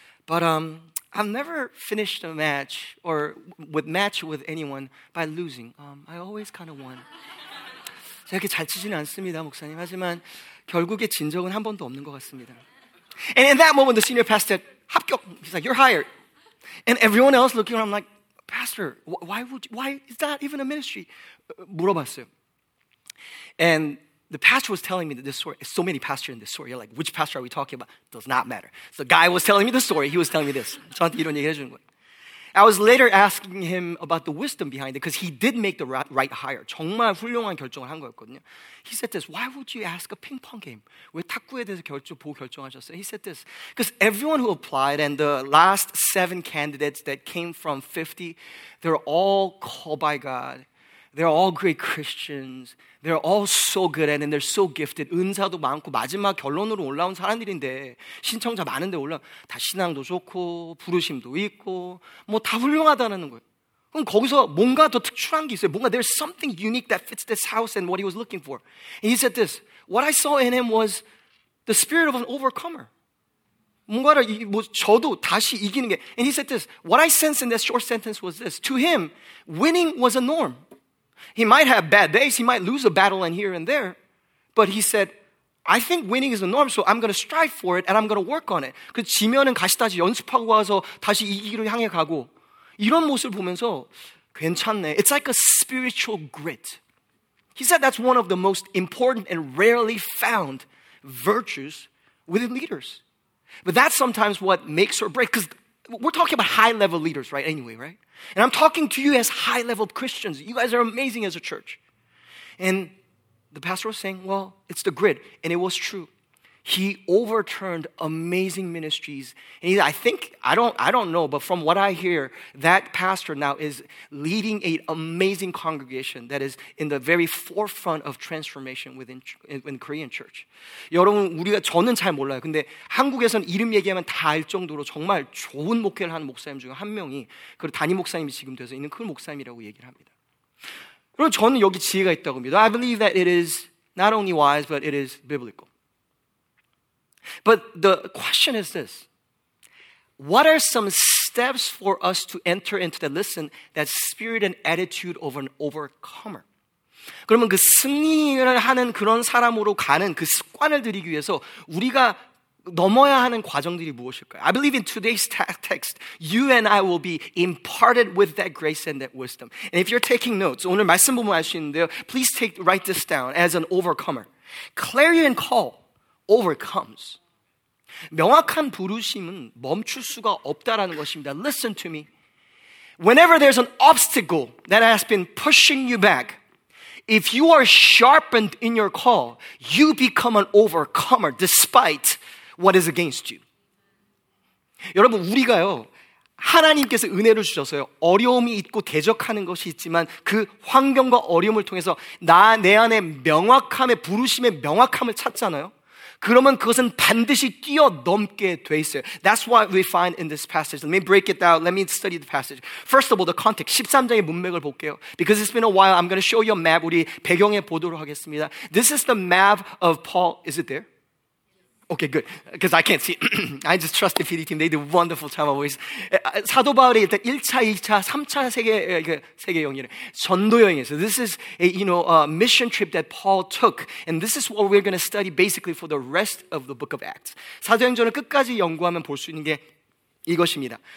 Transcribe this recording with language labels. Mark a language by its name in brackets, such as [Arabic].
[English] But I've never finished a match or match with anyone by losing. I always kind of won. [Korean] 제가 그렇게 잘 치지는 않습니다, 목사님. 하지만 결국에 진 적은 한 번도 없는 것 같습니다. [English] And in that moment, the senior pastor [Korean] 합격. [English] He's like, you're hired. And everyone else looking around, I'm like, pastor, why is that even a ministry? [Korean] 물어봤어요. [English] And the pastor was telling me that this story, so many pastors in this story, you're like, which pastor are we talking about? Does not matter. So the guy was telling me the story. He was telling me this. [Korean] 저한테 이런 얘기 해주는 거예요. [English] I was later asking him about the wisdom behind it because he did make the right hire. [Korean] 정말 훌륭한 결정을 한 거였거든요. [English] He said this, why would you ask a ping pong game? [Korean] 왜 탁구에 대해서 보고 결정하셨어요? [English] He said this, because everyone who applied and the last seven candidates that came from 50, they're all called by God. They're all great Christians. They're all so good and they're so gifted. [Korean] 은사도 많고 마지막 결론으로 올라온 사람들인데 신청자 많은데 올라 다 신앙도 좋고 부르심도 있고 뭐 다 훌륭하다는 거예요. 그럼 거기서 뭔가 더 특출한 게 있어요. 뭔가 [English] there's something unique that fits this house and what he was looking for. And he said this, what I saw in him was the spirit of an overcomer. [Korean] 뭔가를 뭐 저도 다시 이기는 게. [English] And he said this, what I sensed in that short sentence was this, to him, winning was a norm. He might have bad days, he might lose a battle and here and there, but he said, I think winning is the norm, so I'm going to strive for it and I'm going to work on it. [Korean] 그 지면은 가시다시 연습하고 와서 다시 이기기로 향해 가고 이런 모습을 보면서 괜찮네. [English] It's like a spiritual grit. He said that's one of the most important and rarely found virtues within leaders. But that's sometimes what makes or breaks, because we're talking about high-level leaders, right, anyway, right? And I'm talking to you as high-level Christians. You guys are amazing as a church. And the pastor was saying, well, it's the grid, and it was true. He overturned amazing ministries. And he, I don't know, but from what I hear, that pastor now is leading an amazing congregation that is in the very forefront of transformation within Korean church. [Korean] 여러분, 우리가 저는 잘 몰라요. 근데 한국에서는 이름 얘기하면 다 알 정도로 정말 좋은 목회를 한 목사님 중에 한 명이 그 담임 목사님이 지금 돼서 있는 그 목사님이라고 얘기를 합니다. 그럼 저는 여기 지혜가 있다고 봅니다. [English] I believe that it is not only wise, but it is biblical. But the question is this. What are some steps for us to enter into that, listen, that spirit and attitude of an overcomer? [Korean] 그러면 그 승리를 하는 그런 사람으로 가는 그 습관을 들이기 위해서 우리가 넘어야 하는 과정들이 무엇일까요? [English] I believe in today's text, you and I will be imparted with that grace and that wisdom. And if you're taking notes, [Korean] 오늘 말씀 보면 알 수 있는데요. [English] Please write this down as an overcomer. Clarion call. Overcomes. [Korean] 명확한 부르심은 멈출 수가 없다라는 것입니다. [English] Listen to me. Whenever there's an obstacle that has been pushing you back, if you are sharpened in your call, you become an overcomer despite what is against you. [Korean] 여러분, 우리가요, 하나님께서 은혜를 주셔서요, 어려움이 있고 대적하는 것이 있지만 그 환경과 어려움을 통해서 내 안에 명확함의 부르심의 명확함을 찾잖아요. 그러면 그것은 반드시 뛰어넘게 돼 있어요. [English] That's what we find in this passage. Let me break it down. Let me study the passage. First of all, the context. [Korean] 13장의 문맥을 볼게요. [English] Because it's been a while, I'm going to show you a map. [Korean] 우리 배경에 보도록 하겠습니다. [English] This is the map of Paul. Is it there? Okay, good. Because I can't see. I just trust the PD team. They do a wonderful job always. [Korean] 사도 바울이 일단 1차, 2차, 3차 세계 여행을 전도 여행에서. [English] This is a, you know, a mission trip that Paul took. And this is what we're going to study basically for the rest of the book of Acts. [Korean] 사도행전을 끝까지 연구하면 볼 수 있는 게 이것입니다.